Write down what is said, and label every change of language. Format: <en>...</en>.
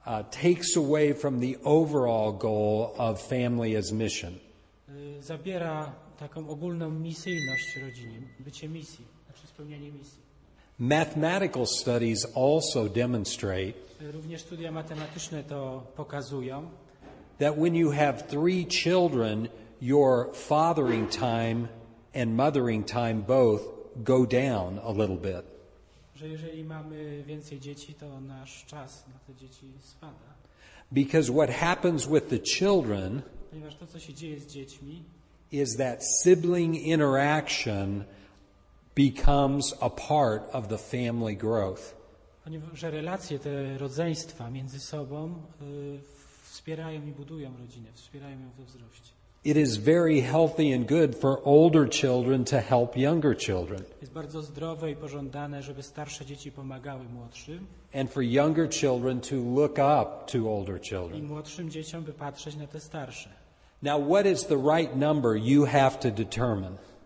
<en>takes away from the overall goal of family as mission.</en> <pl>Zabiera taką ogólną misyjność rodziny, bycie misji, znaczy spełnianie misji.</pl> <en>Mathematical studies also demonstrate.</en> <pl>Również studia matematyczne to pokazują.</pl> <en>That when you have three children, your fathering time and mothering time both go down a little bit.</en> <pl>Że jeżeli mamy więcej dzieci, to nasz czas na te dzieci spada.</pl> <en>Because what happens with the children,</en> <pl>ponieważ to, co się dzieje z dziećmi,</pl> <en>is that sibling interaction becomes a part of the family growth.</en> <pl>Ponieważ relacje te rodzeństwa między sobą wspierają i budują rodzinę, wspierają ją we wzroście.</pl> <en>It is very healthy and good for older children to help younger children.</en> <pl>Jest bardzo zdrowe i pożądane, żeby starsze dzieci pomagały młodszym.</pl> <en>And for younger children to look up to older children.</en> <pl>I młodszym dzieciom by patrzeć na te starsze.</pl> <en>Now what is the right number you have to determine?</en>